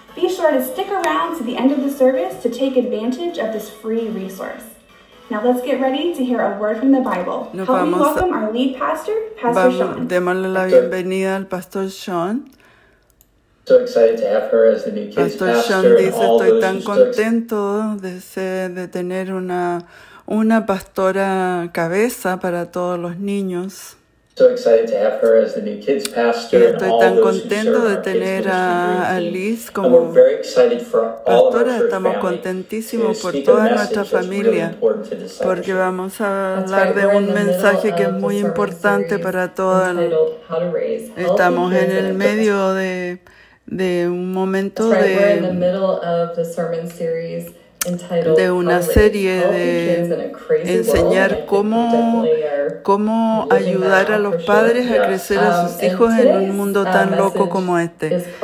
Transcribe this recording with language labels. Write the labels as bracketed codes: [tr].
[en] Be sure to stick around to the end of the service to take advantage of this free resource. Now let's get ready to hear a word from the Bible. Help me welcome our lead pastor, Pastor Sean. [es] Démosle la bienvenida al Pastor Sean. [en] So excited to have her as the new kids pastor. [es] Pastor Sean dice, estoy tan contento de tener una pastora cabeza para todos los niños. [en] So excited to have her as the new kids pastor. [es] Y estoy tan contento de tener a Liz como pastora. Estamos contentísimos por toda nuestra familia, porque vamos a hablar de un mensaje que es muy importante para toda. Estamos en el medio de un momento de una serie de enseñar cómo ayudar a los padres a crecer a sus hijos en un mundo tan loco como este.